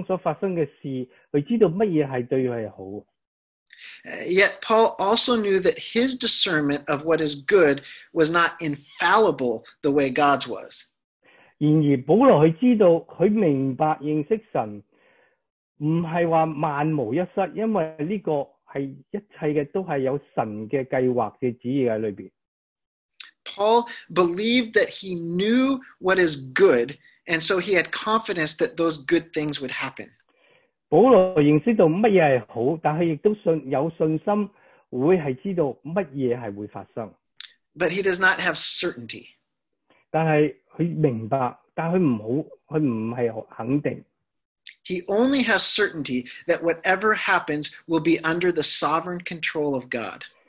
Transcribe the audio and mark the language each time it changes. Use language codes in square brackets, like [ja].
[zh] 是基于保罗认识神,所以保罗在他的生命当中所发生的事,他知道什么是对他好。 [en] Yet Paul also knew that his discernment of what is good was not infallible the way God's was. [zh] 然而保罗他知道,他明白认识神,不是说万无一失,因为这个 是一切都是有神的计划的旨意在里面。Paul [en] believed that he knew what is good, and so he had confidence that those good things would happen. [zh] 保罗认识到什么是好,但他也有信心会知道什么会发生。 [en] But he does not have certainty. [zh] 但是他明白,但他不是很肯定。 [en] He only has certainty that whatever happens will be under the sovereign control of God.